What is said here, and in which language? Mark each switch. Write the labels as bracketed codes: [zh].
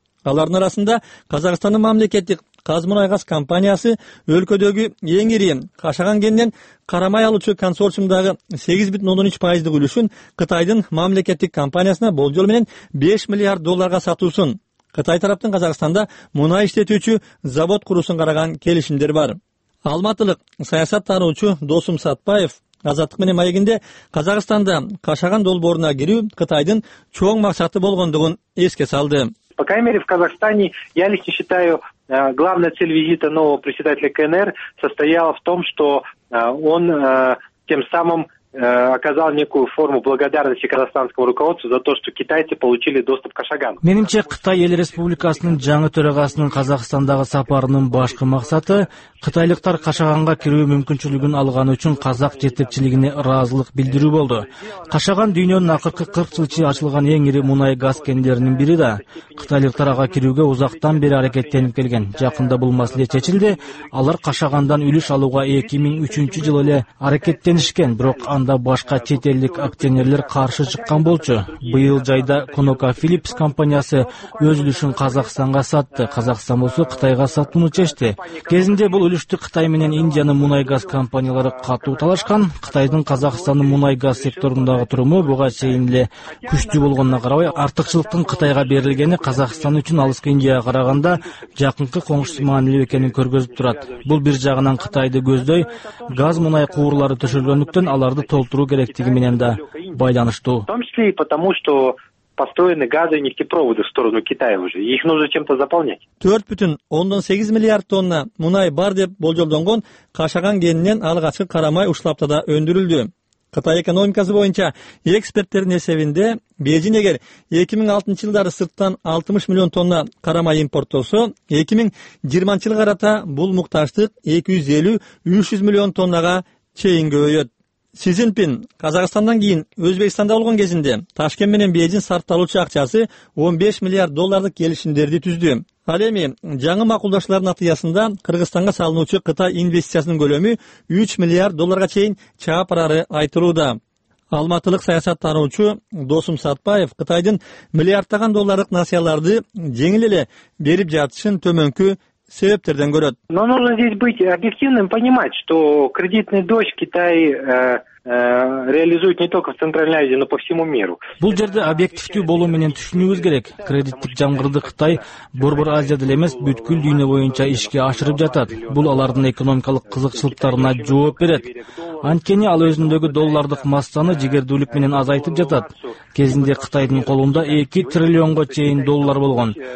[ky] Алардын арасында Казакстандын мамлекеттик Казмунайгаз компаниясы өлкөдөгү эң ири кашаган кенинен карамай алуучу консорциумдагы 8.3% үлүшүн Кытайдын мамлекеттик компаниясына болжол менен 5 миллиард долларга сатуусун, Кытай тараптын Казакстанда мунай иштетүүчү завод куруусун караган келишимдер бар. Алматылык саясат таануучу Досум Сатпаев Азаттык менен маегинде Казакстанда кашаган долбооруна кирүү Кытайдын чоң максаты болгондугун эске салды. [ru] По крайней мере, в Казахстане, я лично считаю, главная цель визита нового председателя КНР состояла в том, что он тем самым оказал некую форму благодарности казахстанскому руководству за то, что китайцы получили доступ к Ашаган. [ky] Менимче, Кытай эл республикасынын жаңы төрагасынын Казахстандагы сапарынын башкы максаты кытайлыктар Кашаганга кирүү мүмкүнчүлүгүн алганы үчүн казак жетекчилигине ыраазылык билдирүү болду. Кашаган дүйнөнүн акыркы 40 жыл ичинде ачылган эң ири мунай газ кендеринин бири да. Кытайлыктар ага кирүүгө узактан бери аракеттенип келген. Жакында бул маселе чечилди. Алар Кашагандан үлүш алууга 2003 жылы эле аракеттенишкен, бирок анда башка чет элдик акционерлер каршы чыккан болчу. Быйыл жайда ConocoPhillips компаниясы өз үлүшүн Казакстанга сатты. Казакстан болсо Кытайга сатууну чечти. Кезинде бул үлүштү Кытай менен Индиянын мунай газ компаниялары катуу талашкан. Кытайдын Казакстандын мунай газ секторундагы туруму буга чейин эле күчтүү болгонуна карабай, артыкчылыктын Кытайга берилгени Казакстан үчүн алыскы Индияга караганда жакынкы коңшусу маанилүү экенин көргөзүп турат. Бул бир жагынан Кытайды көздөй, газ мунай куурлары төшөлгөндүктөн аларды толтуруу керектиги менен да байланыштуу. [ru] В том числе и потому, что построены газы и нефтепроводы в сторону Китая уже. Их нужно чем-то заполнять. [ky] 4.8 миллиард тонна мунай бар деп болжолдонгон Кашаган кенинен алгачкы карамай ушлаптада өндүрүлдү. Кытай экономикасы боюнча эксперттердин эсебинде Бээжин эгер 2006 жылдары сырттан 60 миллион тонна карамай импорттолсо, 2020 жылга карата бул муктаждык 250-300 миллион тоннага чейин көбөйөт. Си Цзиньпин Казакстандан кийин Өзбекстанда болгон кезинде Ташкент менен Бээжин сарпталуучу акчасы 15 миллиард доллардык келишимдерди түздү. Ал эми жаңы макулдашуулардын натыйжасында Кыргызстанга салынуучу Кытай инвестициясынын көлөмү 3 миллиард долларга чейин чаап барары айтылууда. Алматылык саясат тануучу Досум Сатпаев Кытайдын миллиарддаган долларлык насыяларды жеңил эле берип жатышын төмөнкү себептерден көрөт. [ru] Но нужно здесь быть объективным, понимать, что кредитный дождь Китай реализует не только в Центральной Азии, но по всему миру. [ky] Бул жерде объективдүү болуу менен түшүнүүбүз керек. Кредиттик жамгырды Кытай борбор Азия деле эмес, бүткүл дүйнө боюнча ишке ашырып жатат. Бул алардын экономикалык кызыкчылыктарына жооп берет. Анткени ал өзүндөгү доллардык массаны жигердүүлүк менен азайтып жатат. Кезинде Кытайдын колунда 2 триллионго чейин доллар болгон.